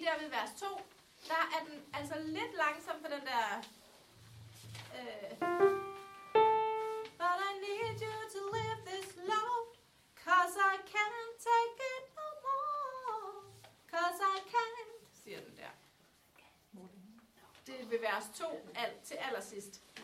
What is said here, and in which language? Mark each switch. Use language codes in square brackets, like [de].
[da] vers 2, der er den altså lidt langsom for den der... [en] But I need you to lift this load, 'cause I can't take it no more, 'cause I can't, [da] siger den der. Det vil vers 2 alt til allersidst.